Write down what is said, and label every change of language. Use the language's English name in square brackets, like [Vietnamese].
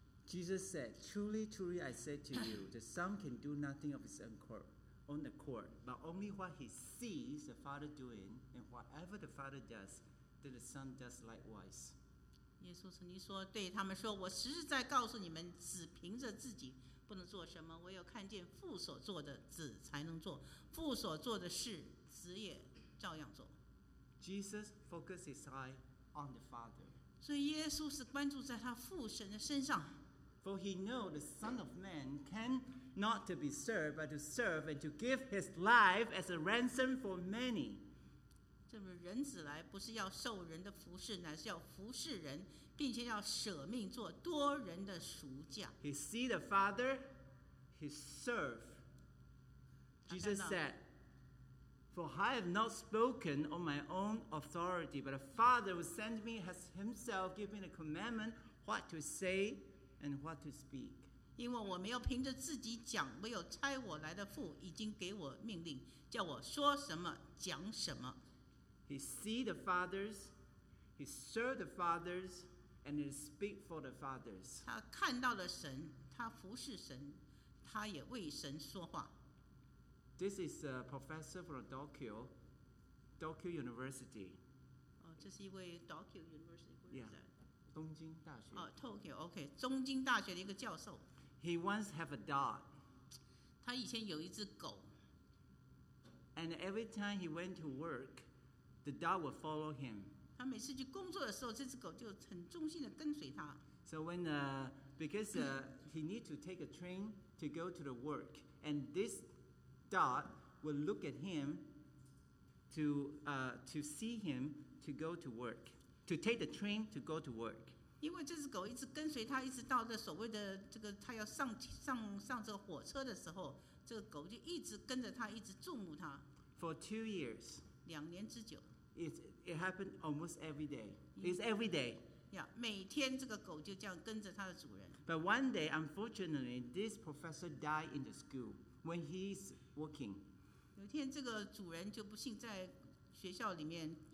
[English] Jesus said, "Truly, truly, I say to you, the Son can do nothing of his own accord, but only what he sees the Father doing, and whatever the Father does, then the Son does likewise." [Chinese] 耶稣曾经说，对他们说，我实实在告诉你们，只凭着自己不能做什么，唯有看见父所做的，子才能做。父所做的事，子也照样做。 [English] Jesus focused his eye on the Father. [Chinese] 所以耶稣是关注在他父神的身上。 [English] For he knew the Son of Man can not to be served, but to serve and to give his life as a ransom for many. [Chinese] 正如人子来不是要受人的服侍，乃是要服侍人，并且要舍命做多人的赎价。 [English] He see the Father, he serve. Jesus said, "For I have not spoken on my own authority, but the Father who sent me has himself given me the commandment what to say." And what to speak. [Chinese] 因为我没有凭着自己讲，唯有差我来的父已经给我命令，叫我说什么讲什么。 [English] He see the fathers, he serve the fathers, and he speak for the fathers. [Chinese] 他看到了神，他服侍神，他也为神说话。 [English] This is a professor from Tokyo, Tokyo University. [Chinese] 这是一位 Tokyo University. Yeah. 东京大学。 Tokyo, okay, 东京大学的一个教授。 [English] He once have a dog. [Chinese] 他以前有一只狗。 [English] And every time he went to work, the dog would follow him. [Chinese] 他每次去工作的时候，这只狗就很忠心的跟随他。 [English] So when, because he need to take a train to go to the work, and this dog would look at him to see him to go to work. To take the train to go to work. [Chinese] 因为这只狗一直跟随他，一直到这所谓的这个他要上这个火车的时候，这个狗就一直跟着他，一直注目他。 [English] For 2 years. [Chinese] 两年之久。 [English] It happened almost every day. It's every day. [Chinese] Yeah, 每天这个狗就这样跟着他的主人。 [English] But one day, unfortunately, this professor died in the school when he's working. [Chinese] 有一天，这个主人就不幸在学校里面。